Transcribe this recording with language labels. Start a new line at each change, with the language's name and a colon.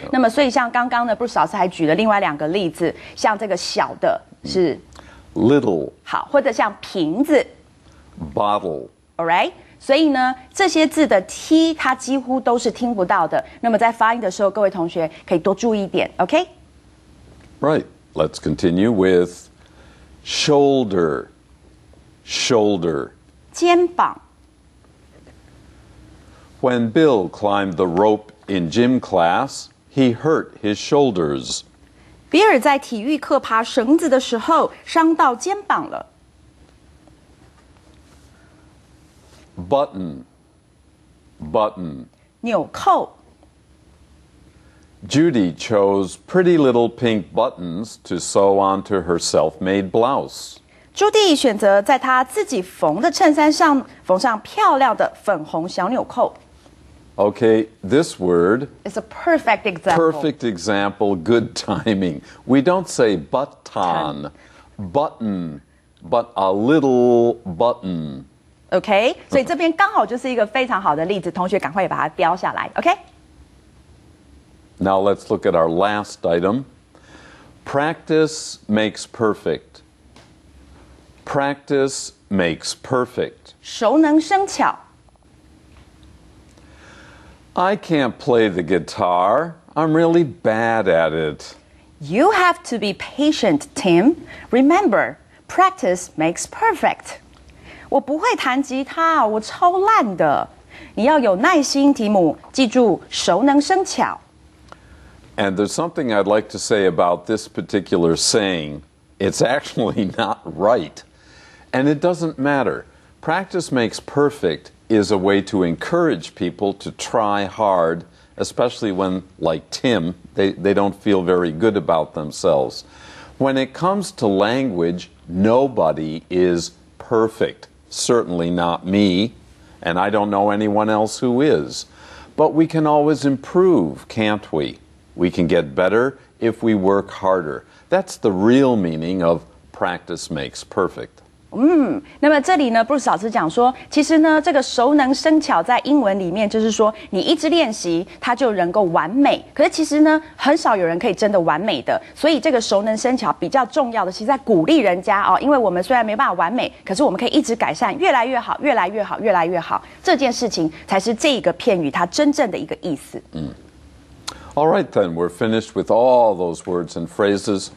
Chinese: 那么，所以像刚刚呢 ，Bruce 老师还举了另外两个例子，像这个小的是
English: little，
Chinese: 好，或者像瓶子。
English: Bottle. All right.
Chinese: 所以呢，这些字的 T 它几乎都是听不到的。那么在发音的时候，各位同学可以多注意一点 ，OK?
English: Right. Let's continue with shoulder. Shoulder.
Chinese: 肩膀
English: When Bill climbed the rope in gym class, he hurt his shoulders.
Chinese: 比尔在体育课爬绳子的时候，伤到肩膀了。
English: Button, button.
Chinese: 纽扣
English: Judy chose pretty little pink buttons to sew onto her self-made blouse.
Chinese: 朱蒂选择在她自己缝的衬衫上缝上漂亮的粉红小纽扣
English: Okay, this word is a perfect example. Perfect example, good timing. We don't say button, button, but a little button.
Chinese: OK, 所以这边刚好就是一个非常好的例子，同学赶快把它标下来 ,OK?
English: Now let's look at our last item. Practice makes perfect. Practice makes perfect.
Chinese: 熟能生巧。
English: I can't play the guitar. I'm really bad at it. You have to be patient, Tim. Remember, practice makes perfect.
Chinese: 我不会弹吉他，我超烂的。你要有耐心，提姆。记住，熟能生巧。
English: And there's something I'd like to say about this particular saying. It's actually not right. And it doesn't matter. Practice makes perfect is a way to encourage people to try hard, especially when, like Tim, they don't feel very good about themselves. When it comes to language, nobody is perfect. Certainly not me, and I don't know anyone else who is. But we can always improve, can't we? We can get better if we work harder. That's the real meaning of practice makes perfect.
Chinese: 那么这里呢 ，Bruce 老师讲说，其实呢，这个熟能生巧在英文里面就是说，你一直练习，它就能够完美。可是其实呢，很少有人可以真的完美的。所以这个熟能生巧比较重要的是在鼓励人家哦，因为我们虽然没办法完美，可是我们可以一直改善，越来越好，越来越好，越来越好。这件事情才是这个片语它真正的一个意思。
English: All right, then we're finished with all those words and phrases.